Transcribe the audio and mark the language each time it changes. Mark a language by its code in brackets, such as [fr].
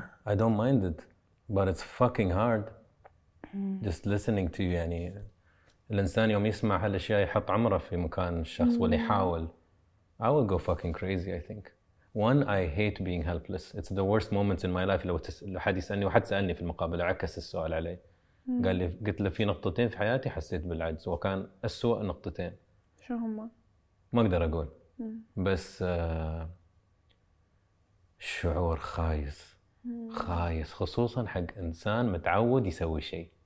[en] I don't mind it, but it's fucking hard. Just listening to you. [ar] يعني الإنسان يوم يسمع هالأشياء يحط عمره في مكان الشخص واللي يحاول. [en] I will go fucking crazy. I think one, I hate being helpless. It's the worst moments in my life. [ar] لو حد يسألني، وحد سألني في المقابلة عكس السؤال علي، قال لي، قلت له في نقطتين في حياتي حسيت بالعجز، وكان أسوأ نقطتين. شو هما؟ ما أقدر أقول. بس شعور خايس خايس، خصوصا حق إنسان متعود يسوي شيء.